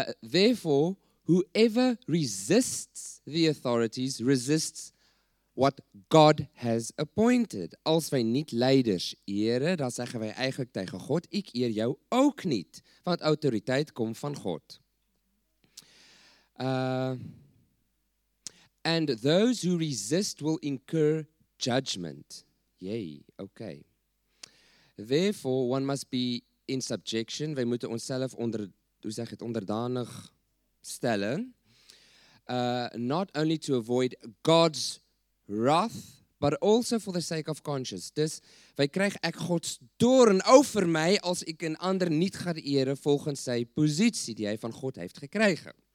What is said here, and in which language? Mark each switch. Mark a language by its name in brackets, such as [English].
[English] Therefore, whoever resists the authorities, resists what God has appointed. [Dutch] Als wij niet leiders eren, dan zeggen wij eigenlijk tegen God, ik eer jou ook niet, want autoriteit komt van God. [English] And those who resist will incur judgment. Yay, okay. Therefore, one must be in subjection. [Dutch] Wij moeten onszelf onderdanig stellen. [English] Not only to avoid God's wrath, but also for the sake of conscience. [Dutch] Dus wij krijgen echt Gods doorn over mij als ik een ander niet ga eren volgens zijn positie die hij van God heeft gekregen.